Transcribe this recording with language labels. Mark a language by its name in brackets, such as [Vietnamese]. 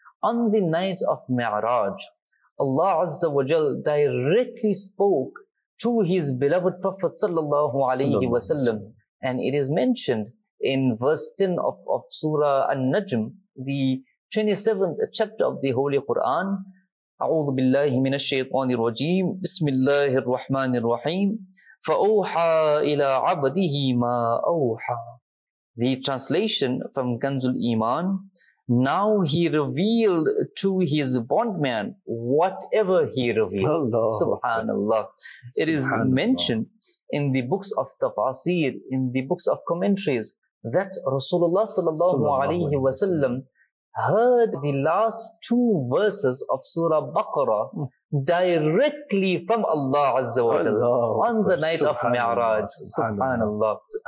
[English] On the night of Mi'raj, Allah Azza wa Jal directly spoke to His beloved Prophet sallallahu alayhi wa sallam. And it is mentioned in verse 10 of Surah An-Najm, the 27th chapter of the Holy Quran. [Arabic] أعوذ بالله من الشيطان الرجيم بسم الله الرحمن الرحيم فَأَوْحَى إِلَىٰ عَبْدِهِ مَا أَوْحَى. [English] The translation from Ganzul Iman: now he revealed to his bondman whatever he revealed. Allah. Subhanallah. It is mentioned in the books of tafasir, in the books of commentaries, that Rasulullah sallallahu alayhi wa sallam heard the last two verses of Surah Baqarah directly from Allah Azza wa Jalla on the night of Mi'raj. Subhanallah.